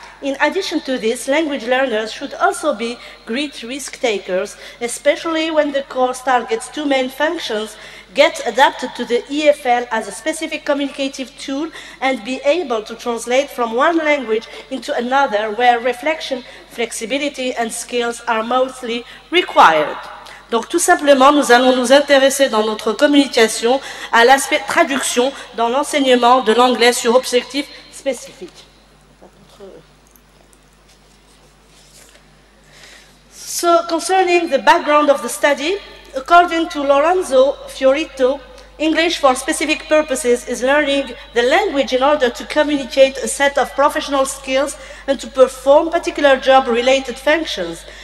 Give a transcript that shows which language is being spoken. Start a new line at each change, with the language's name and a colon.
English: In addition to this, language learners should also be great risk takers, especially when the course targets two main functions: get adapted to the EFL as a specific communicative tool and be able to translate from one language into another where reflection, flexibility and skills are mostly required.
French: Donc tout simplement, nous allons nous intéresser dans notre communication à l'aspect traduction dans l'enseignement de l'anglais sur objectif spécifique.
English: So concerning the background of the study, according to Lorenzo Fiorito, English for specific purposes is learning the language in order to communicate a set of professional skills and to perform particular job-related functions.